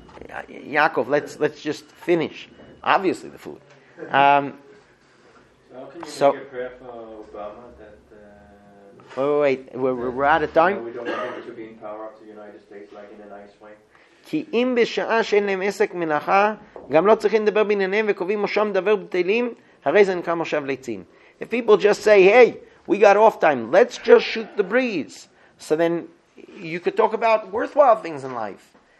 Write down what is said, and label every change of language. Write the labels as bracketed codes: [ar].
[en] Yaakov, let's just finish. Obviously, the food. How can you make a prayer for Obama that... Wait, we're out of time? We don't want him to be in power up to the United States like in a nice way. [he] כי אם בשעה שאין להם עסק מלאכה, גם לא צריכים לדבר בענייניהם וקובעים מושב דבר בטלים, הרי זה נקרא מושב ליצים. [en] If people just say, hey, we got off time, let's just shoot the breeze. So then you could talk about worthwhile things in life.